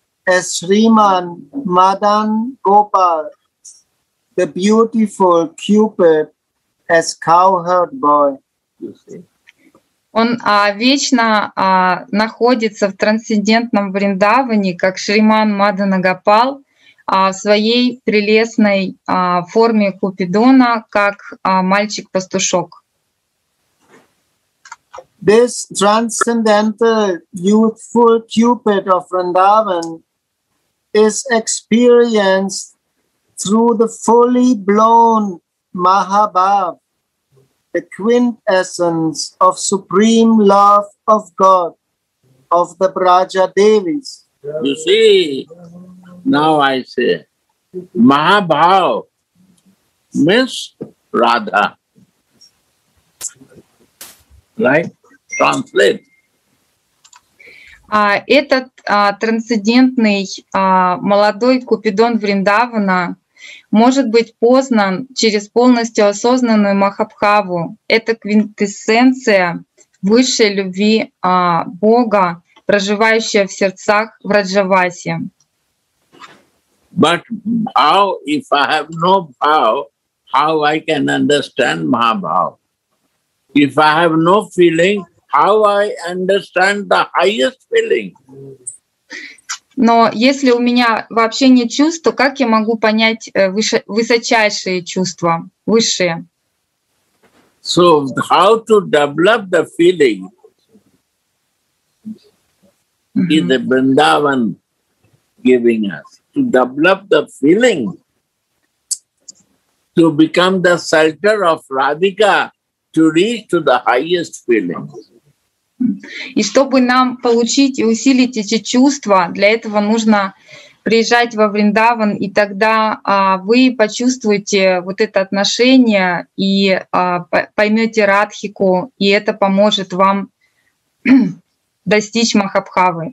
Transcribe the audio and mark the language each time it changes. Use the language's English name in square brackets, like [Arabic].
[English] as Sriman Madan Gopal, the beautiful Cupid, as cowherd boy. [Russian] Он вечно находится в трансцендентном Вриндаване, как Шриман Мадана Гопал, в своей прелестной форме Купидона, как мальчик-пастушок. [English] This transcendental youthful Cupid of Vrindavan is experienced through the fully blown Mahabhav, the quintessence of supreme love of God, of the Braja Devis. You see, now I say, Mahabhav means Radha. Right? [Russian] Этот трансцендентный молодой Купидон Вриндавана может быть познан через полностью осознанную Махабхаву. Это квинтэссенция высшей любви Бога, проживающая в сердцах в Раджаваси. [English] But how, if I have no bhav, how I can understand Mahabhav? If I have no feeling, how I understand the highest feeling? [Russian] Но если у меня вообще нет чувств, то как я могу понять высочайшие чувства, высшие? [English] So how to develop the feeling in the Vrindavan giving us? To develop the feeling to become the shelter of Radhika, to reach to the highest feeling. [Russian] И чтобы нам получить и усилить эти чувства, для этого нужно приезжать во Вриндаван, и тогда вы почувствуете вот это отношение и поймете Радхику, и это поможет вам достичь Махабхавы.